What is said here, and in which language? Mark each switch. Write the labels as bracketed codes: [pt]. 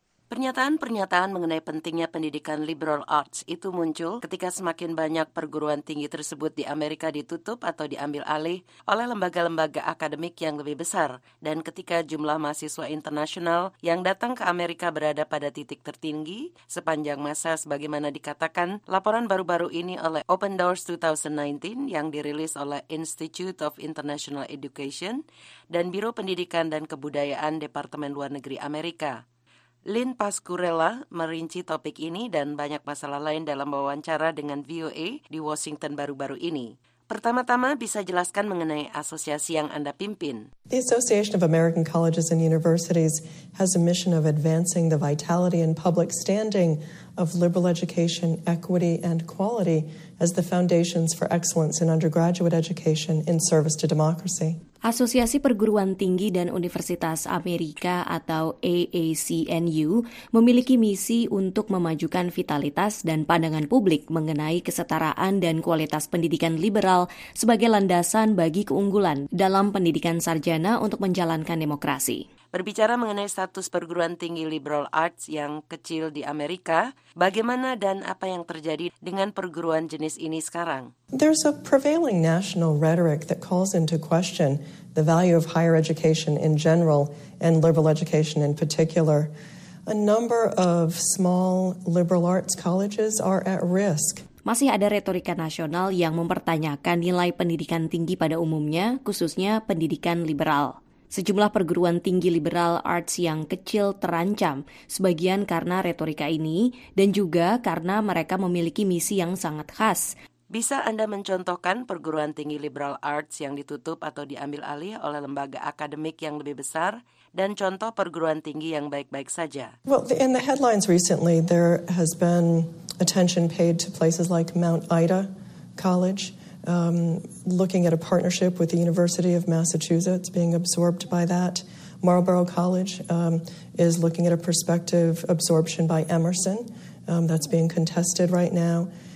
[id] Pernyataan-pernyataan mengenai pentingnya pendidikan liberal arts itu muncul ketika semakin banyak perguruan tinggi tersebut di Amerika ditutup atau diambil alih oleh lembaga-lembaga akademik yang lebih besar, dan ketika jumlah mahasiswa internasional yang datang ke Amerika berada pada titik tertinggi sepanjang masa sebagaimana dikatakan laporan baru-baru ini oleh Open Doors 2019 yang dirilis oleh Institute of International Education dan Biro Pendidikan dan Kebudayaan Departemen Luar Negeri Amerika. Lynn Pasquarella merinci topik ini dan banyak masalah lain dalam wawancara dengan VOA di Washington baru-baru ini. Pertama-tama bisa jelaskan mengenai asosiasi yang Anda pimpin. [en] The Association of American Colleges and Universities has a mission of advancing the vitality and public standing of liberal education, equity, and quality as the foundations for excellence in undergraduate education in service to democracy. [id] Asosiasi Perguruan Tinggi dan Universitas Amerika atau AACNU memiliki misi untuk memajukan vitalitas dan pandangan publik mengenai kesetaraan dan kualitas pendidikan liberal sebagai landasan bagi keunggulan dalam pendidikan sarjana untuk menjalankan demokrasi. Berbicara mengenai status perguruan tinggi liberal arts yang kecil di Amerika, bagaimana dan apa yang terjadi dengan perguruan jenis ini sekarang? [en] There's a prevailing national rhetoric that calls into question the value of higher education in general and liberal education in particular. A number of small liberal arts colleges are at risk. [id] Masih ada retorika nasional yang mempertanyakan nilai pendidikan tinggi pada umumnya, khususnya pendidikan liberal. Sejumlah perguruan tinggi liberal arts yang kecil terancam, sebagian karena retorika ini, dan juga karena mereka memiliki misi yang sangat khas. Bisa Anda mencontohkan perguruan tinggi liberal arts yang ditutup atau diambil alih oleh lembaga akademik yang lebih besar, dan contoh perguruan tinggi yang baik-baik saja? [en] Well, in the headlines recently, there has been attention paid to places like Mount Ida College, looking at a partnership with the University of Massachusetts being absorbed by that. Marlborough College is looking at a prospective absorption by Emerson that's being contested right now.